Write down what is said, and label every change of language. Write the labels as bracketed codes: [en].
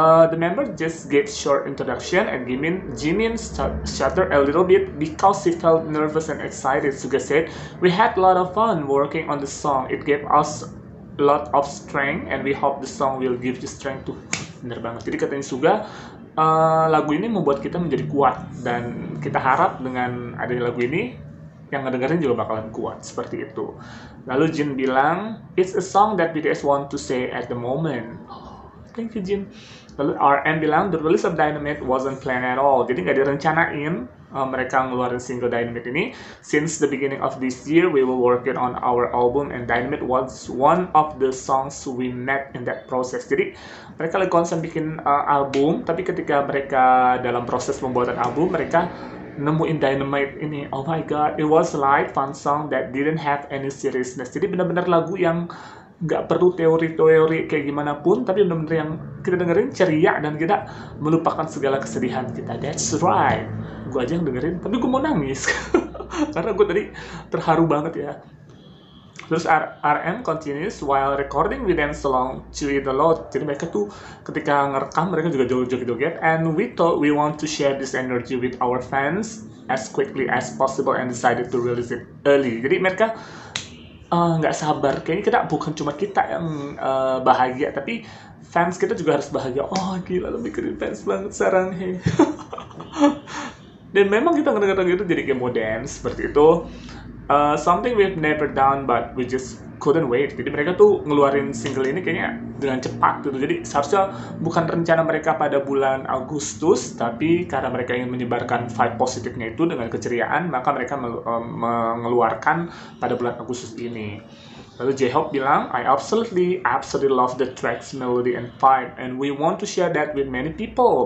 [en] The member just gave short introduction and Jimin shuddered a little bit because he felt nervous and excited. Suga said, "We had a lot of fun working on the song. It gave us lot of strength and we hope the song will give you strength too." [id] Bener banget. Jadi katanya Suga, lagu ini membuat kita menjadi kuat, dan kita harap dengan adanya lagu ini yang ngedengerin juga bakalan kuat seperti itu. Lalu Jin bilang, [en] "It's a song that BTS want to say at the moment." Oh, thank you Jin. [id] Lalu RM bilang, [en] "The release of Dynamite wasn't planned at all." [id] Jadi gak direncanain mereka ngeluarin single Dynamite ini. [en] "Since the beginning of this year, we were working on our album and Dynamite was one of the songs we met in that process." [id] Jadi mereka lagi konsen bikin album, tapi ketika mereka dalam proses pembuatan album, mereka nemuin Dynamite ini. [en] Oh my god, it was like fun song that didn't have any seriousness. [id] Jadi benar-benar lagu yang gak perlu teori-teori kayak gimana pun, tapi benar-benar yang kita dengerin ceria dan kita melupakan segala kesedihan kita. [en] That's right. [id] Gue aja yang dengerin, tapi gue mau nangis. Karena gue tadi terharu banget ya. Terus [en] RM continues, "While recording, we dance along to it a lot." [id] Jadi mereka tuh ketika ngerekam, mereka juga joget-joget. [en] "And we thought we want to share this energy with our fans as quickly as possible and decided to release it early." [id] Jadi mereka gak sabar. Kayaknya kita bukan cuma kita yang bahagia, tapi fans kita juga harus bahagia. Oh gila, lebih keren fans banget sekarang. Dan memang kita ngedengerin gitu jadi kayak mau dance seperti itu. [en] Something we've never done but we just couldn't wait. [id] Jadi mereka tuh ngeluarin single ini kayaknya dengan cepat gitu. Jadi seharusnya bukan rencana mereka pada bulan Agustus, tapi karena mereka ingin menyebarkan vibe positifnya itu dengan keceriaan, maka mereka mengeluarkan pada bulan Agustus ini. Lalu J-Hope bilang, [en] I absolutely, absolutely love the track's melody and vibe, and we want to share that with many people.